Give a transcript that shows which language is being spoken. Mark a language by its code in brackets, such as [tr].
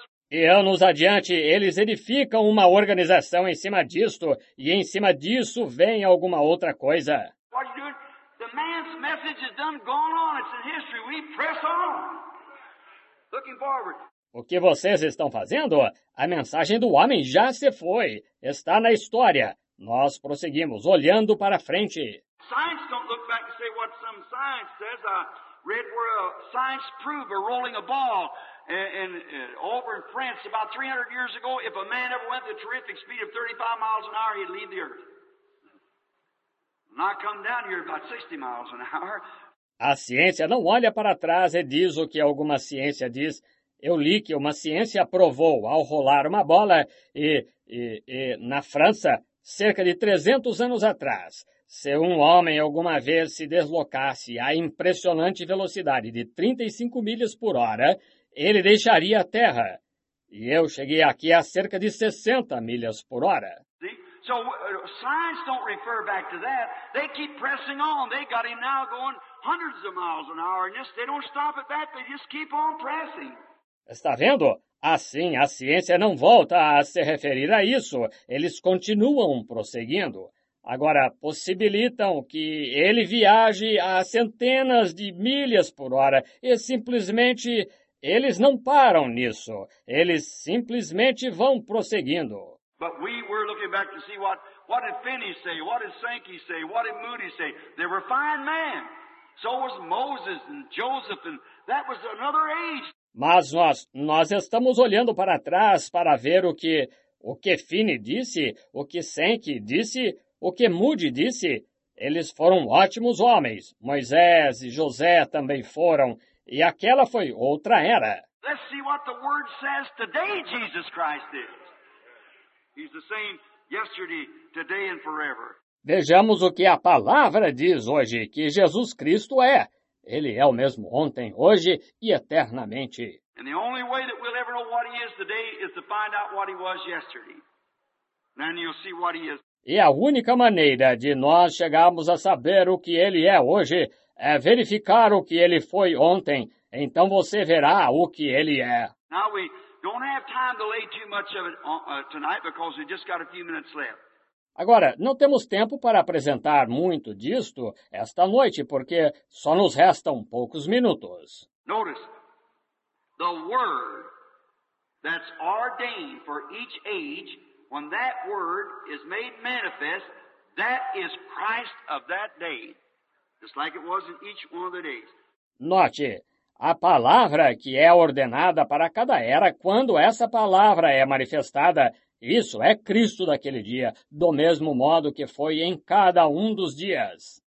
[pt] E anos adiante, eles edificam uma organização em cima disto, e em cima disso vem alguma outra coisa. [en] The man's message is done, gone on. It's in history. We press on. Looking forward. [pt] O que vocês estão fazendo? A mensagem do homem já se foi. Está na história. Nós prosseguimos, olhando para a frente. [en] Science don't look back and say what some science says. I read where a science proved we're rolling a ball. And over in France, about 300 years ago, if a man ever went at the terrific speed of 35 miles an hour, he'd leave the earth. Not come down here about 60 miles an hour. [pt] A ciência não olha para trás e diz o que alguma ciência diz. Eu li que uma ciência provou ao rolar uma bola e na França, cerca de 300 anos atrás, se um homem alguma vez se deslocasse à impressionante velocidade de 35 milhas por hora, ele deixaria a Terra. E eu cheguei aqui a cerca de 60 milhas por hora. [en] So, science don't refer back to that. They keep pressing on. They got him now going hundreds of miles an hour. And just, they don't stop at that. They just keep on pressing. [pt] Está vendo? Assim, a ciência não volta a se referir a isso. Eles continuam prosseguindo. Agora, possibilitam que ele viaje a centenas de milhas por hora e simplesmente eles não param nisso. Eles simplesmente vão prosseguindo. [en] But we were looking back to see what did Finney say, what did Sankey say, what did Moody say. They were fine men. So was Moses and Joseph, and that was another age. [pt] Mas nós estamos olhando para trás para ver o que Finney disse, o que Sankey disse, o que Moody disse. Eles foram ótimos homens. Moisés e José também foram. E aquela foi outra era. [en] Let's see what the word says today Jesus Christ is. He's the same yesterday, today and forever. [pt] Vejamos o que a palavra diz hoje, que Jesus Cristo é. Ele é o mesmo ontem, hoje e eternamente. [en] And the only way that we'll ever know what he is today is to find out what he was yesterday. Then you'll see what he is. [pt] E a única maneira de nós chegarmos a saber o que ele é hoje é verificar o que ele foi ontem. Então você verá o que ele é. [en] Now we don't have time to lay too much of it tonight because we just got a few minutes left. [pt] Agora, não temos tempo para apresentar muito disto esta noite, porque só nos restam poucos minutos. [en] Notice, the word that's ordained for each age, when that word is made manifest, that is Christ of that day. Just like it was in each one of the days. [pt] Note, a palavra que é ordenada para cada era quando essa palavra é manifestada, isso é Cristo daquele dia, do mesmo modo que foi em cada um dos dias.